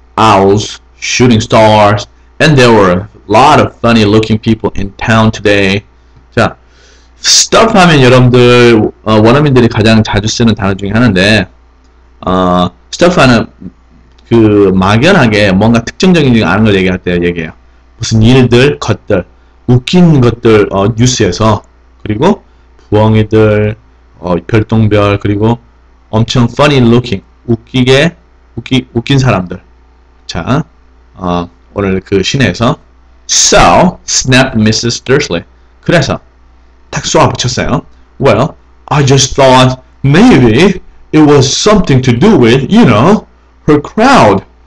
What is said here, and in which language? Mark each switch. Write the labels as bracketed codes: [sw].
[en] Owls, shooting stars, and there were lot of funny looking people in town today. [ko] 자, stuff 하면 여러분들 원어민들이 가장 자주 쓰는 단어 중에 하나인데 stuff 하는 그 막연하게 뭔가 특정적인 아는 걸 얘기할 때 얘기해요. 무슨 일들, 것들, 웃긴 것들 뉴스에서 그리고 부엉이들, 별똥별 그리고 엄청 [en] funny looking [ko] 웃긴 사람들. 자, 오늘 그 시내에서 [en] So, snapped [ko] Mrs. Dursley. 그래서 딱 쏘아 붙였어요. [en] Well, I just thought maybe it was something to do with, you know, her crowd.